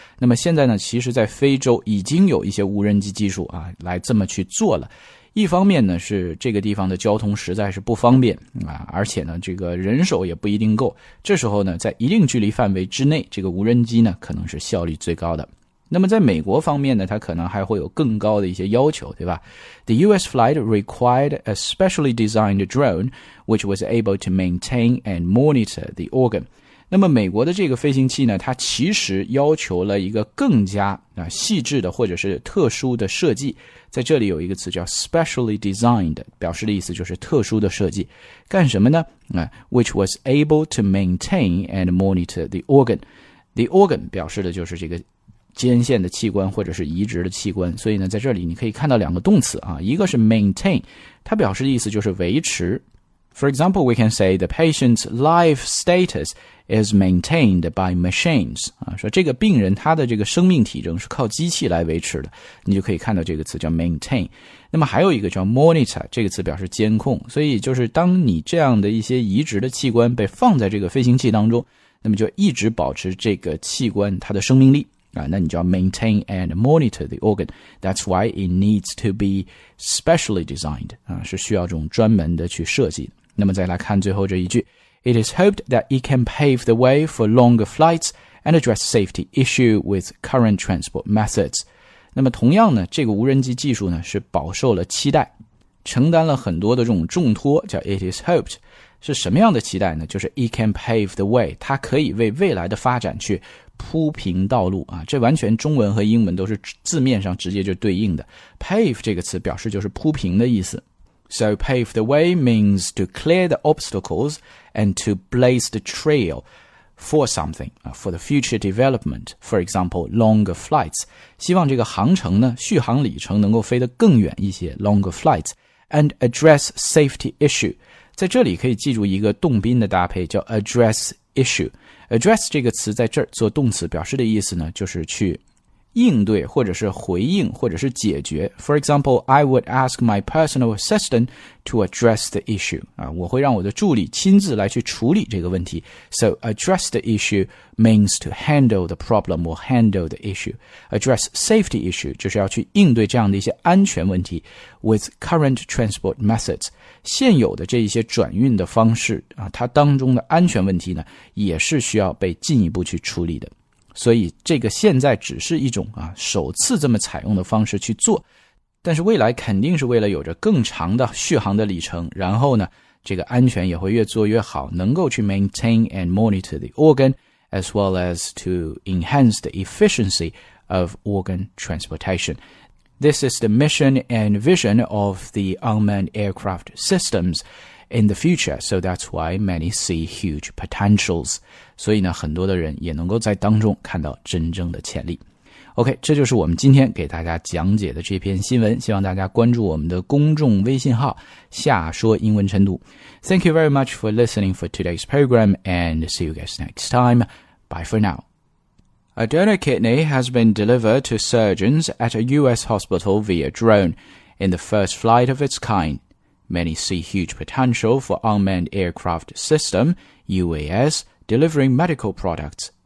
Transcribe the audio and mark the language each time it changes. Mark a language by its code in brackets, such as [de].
[zh] 那么现在呢其实在非洲已经有一些无人机技术啊来这么去做了。一方面呢是这个地方的交通实在是不方便啊，而且呢这个人手也不一定够，这时候呢在一定距离范围之内，这个无人机呢可能是效率最高的。那么在美国方面呢，它可能还会有更高的一些要求，对吧？ [en] The US flight required a specially designed drone which was able to maintain and monitor the organ. [zh] 那么美国的这个飞行器呢，它其实要求了一个更加细致的或者是特殊的设计。在这里有一个词叫 [en] specially designed, [zh] 表示的意思就是特殊的设计。干什么呢？ [en] Which was able to maintain and monitor the organ. The organ [zh] 表示的就是这个捐献的器官或者是移植的器官，所以呢在这里你可以看到两个动词啊，一个是 maintain, 它表示的意思就是维持。 [en] For example, we can say the patient's life status is maintained by machines, [zh] 啊，说这个病人他的这个生命体征是靠机器来维持的，你就可以看到这个词叫 maintain。那么还有一个叫 monitor, 这个词表示监控，所以就是当你这样的一些移植的器官被放在这个飞行器当中，那么就一直保持这个器官它的生命力啊，那你就要 [en] maintain and monitor the organ. That's why it needs to be specially designed. [zh] 啊，是需要这种专门的去设计的。那么再来看最后这一句。 [en] It is hoped that it can pave the way for longer flights and address safety issue with current transport methods. [zh] 那么同样呢，这个无人机技术呢，是饱受了期待，承担了很多的这种重托，叫 [en] it is hoped. [zh] 是什么样的期待呢？就是 [en] it can pave the way, [zh] 它可以为未来的发展去铺平道路啊！这完全中文和英文都是字面上直接就对应的。 pave 这个词表示就是铺平的意思。 [en] So pave the way means to clear the obstacles and to blaze the trail for something, for the future development, for example, longer flights. [zh] 希望这个航程呢，续航里程能够飞得更远一些 [en] longer flights, and address safety issue. [zh] 在这里可以记住一个动宾的搭配叫 [en] address issue。 [zh] address 这个词在这儿做动词表示的意思呢，就是去应对或者是回应或者是解决。 [en] For example, I would ask my personal assistant to address the issue. [zh] 啊，我会让我的助理亲自来去处理这个问题。 [en] So address the issue means to handle the problem or handle the issue. Address safety issue [zh] 就是要去应对这样的一些安全问题 [en] with current transport methods. [zh] 现有的这一些转运的方式啊，它当中的安全问题呢，也是需要被进一步去处理的。所以这个现在只是一种啊首次这么采用的方式去做，但是未来肯定是为了有着更长的续航的里程，然后呢这个安全也会越做越好，能够去 [en] maintain and monitor the organ as well as to enhance the efficiency of organ transportation. This is the mission and vision of the unmanned aircraft systems in the future, so that's why many see huge potentials. [zh] 所以呢，很多的人也能够在当中看到真正的潜力。 OK, 这就是我们今天给大家讲解的这篇新闻，希望大家关注我们的公众微信号下说英文晨读。 [en] Thank you very much for listening for today's program and see you guys next time. Bye for now. A donor kidney has been delivered to surgeons at a US hospital via drone in the first flight of its kind. Many see huge potential for unmanned aircraft system, UAS, delivering medical products.